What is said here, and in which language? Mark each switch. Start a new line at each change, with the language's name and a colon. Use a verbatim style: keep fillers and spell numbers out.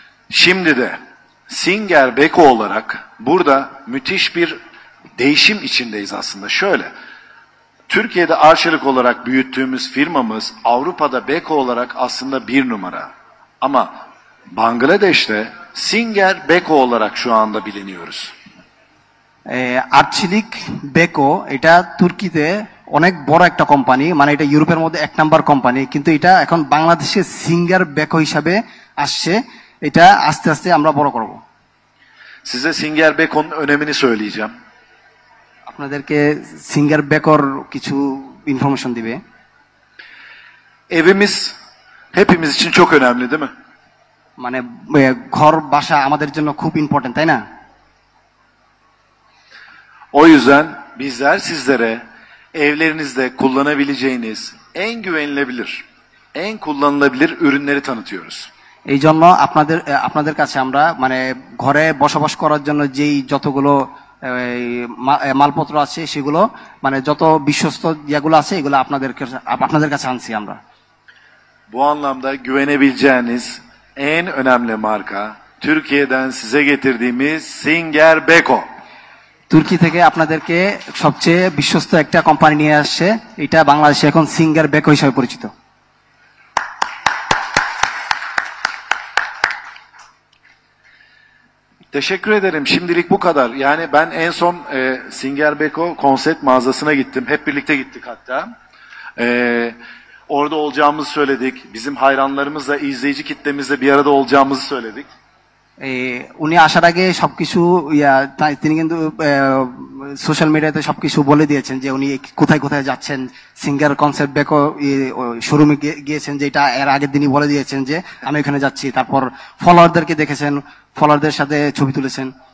Turkish: şimdi de Singer Beko olarak burada müthiş bir değişim içindeyiz aslında. Şöyle, Türkiye'de Arçelik olarak büyüttüğümüz firmamız Avrupa'da Beko olarak aslında bir numara. Ama Bangladeş'te Singer Beko olarak şu anda biliniyoruz.
Bangla: এ, আর্চিলিক Beko এটা তুর্কিতে অনেক বড় একটা company, মানে এটা ইউরোপের মধ্যে এক number company, কিন্তু এটা এখন বাংলাদেশে সিঙ্গার বেকো হিসাবে আসছে। এটা আস্তে আস্তে আমরা বড় করব।
Turkish: Size Singer Beko'nun önemini söyleyeceğim.
Bangla: আপনাদেরকে সিঙ্গার বেকর কিছু ইনফরমেশন দিবে।
Turkish: Evimiz hepimiz için çok önemli değil mi?
Bangla: মানে এ, ঘর বাসা আমাদের জন্য খুব ইম্পর্টেন্ট, তাই না?
Turkish: O yüzden bizler sizlere evlerinizde kullanabileceğiniz en güvenilebilir, en kullanılabilir ürünleri tanıtıyoruz.
Bangla: এই জন্য আপনাদের এ, আপনাদের কাছে আমরা মানে ঘরে বসবাস করার জন্য যেই যতগুলো এ, মা- এ, মালপত্র আছে সেগুলো মানে যত বিশ্বস্ত ইয়াগুলো আছে এগুলো আপনাদের কাছে- আপ- আপনাদের কাছে আনছি আমরা।
Turkish: Bu anlamda güvenebileceğiniz en önemli marka Türkiye'den size getirdiğimiz Singer Beko.
Bangla: তুর্কি থেকে আপনাদেরকে সবচেয়ে বিশ্বস্ত একটা কোম্পানি নিয়ে আসছে, এটা বাংলাদেশে এখন সিঙ্গার বেকো হিসেবে পরিচিত।
Turkish: Teşekkür ederim. Şimdilik bu kadar. Yani ben en son e, Singer Beko konsept mağazasına gittim. Hep birlikte gittik hatta. E, orada olacağımızı söyledik. Bizim hayranlarımızla, izleyici kitlemizle bir arada olacağımızı söyledik.
Bangla: এ, উনি আসার আগে সবকিছু ইয়া তাই তিনি কিন্তু social মিডিয়াতে সবকিছু বলে দিয়েছেন যে উনি কোথায় কোথায় যাচ্ছেন। সিঙ্গার কনসেপ্ট ব্যাকও শোরুমে গিয়েছেন, যেটা এর আগের দিনই বলে দিয়েছেন যে আমি ওখানে যাচ্ছি। তারপর ফলোয়ারদেরকে দেখেছেন, ফলোয়ারদের সাথে ছবি তুলেছেন।